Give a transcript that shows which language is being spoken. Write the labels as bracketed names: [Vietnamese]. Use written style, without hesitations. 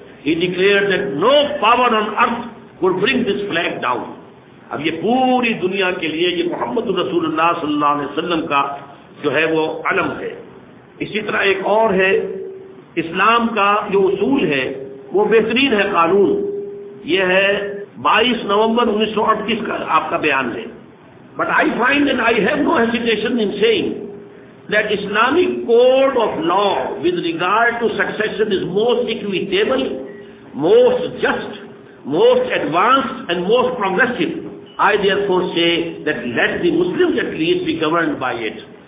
[English] He declared that no power on earth could bring this flag down. [Urdu] اب یہ پوری دنیا کے لیے یہ محمد رسول اللہ صلی اللہ علیہ وسلم کا جو ہے وہ علم ہے. اسی طرح ایک اور ہے، اسلام کا جو اصول ہے وہ بہترین ہے قانون، یہ ہے 22 نومبر 1938 کا آپ کا بیان ہے. [English] But I find that I have no hesitation in saying that Islamic code of law with regard to succession is most equitable, most just, most advanced and most progressive. I therefore say that let the Muslims at least be governed by it.